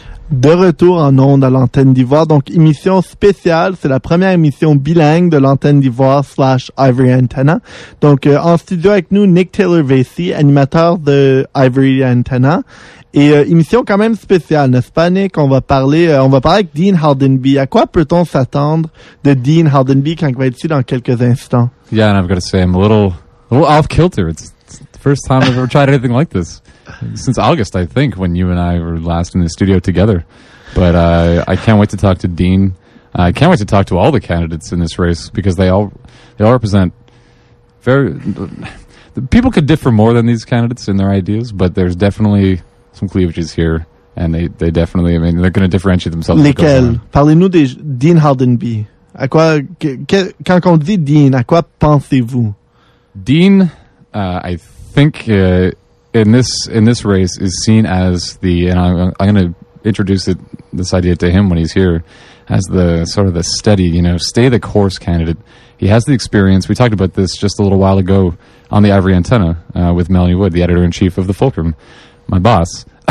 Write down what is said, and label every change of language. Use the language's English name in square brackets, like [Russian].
[French] De retour en onde à l'Antenne d'Ivoire, donc émission spéciale, c'est la première émission bilingue de l'Antenne d'Ivoire / Ivory Antenna. Donc en studio avec nous, Nick Taylor-Vacy, animateur de Ivory Antenna. Et émission quand même spéciale, n'est-ce pas Nick? On va parler avec Dean Haldenby. À quoi peut-on s'attendre de Dean Haldenby quand il va être ici dans quelques instants? [English] Yeah, and I've got to say, I'm a little off-kilter. It's the first time I've ever tried anything like this. Since August, I think, when you and I were last in the studio together. But I can't wait to talk to Dean. I can't wait to talk to all the candidates in this race because they all represent very... people could differ more than these candidates in their ideas, but there's definitely some cleavages here. And they definitely, I mean, they're going to differentiate themselves. [French] Lesquels? Parlez-nous de Dean Haldenby. Quand on dit Dean, à quoi pensez-vous? [English] Dean, I think... In this race is seen as the, and I'm going to introduce this idea to him when he's here, as the sort of the steady, you know, stay the course candidate. He has the experience. We talked about this just a little while ago on the Ivory Antenna with Melanie Wood, the editor in chief of the Fulcrum, my boss.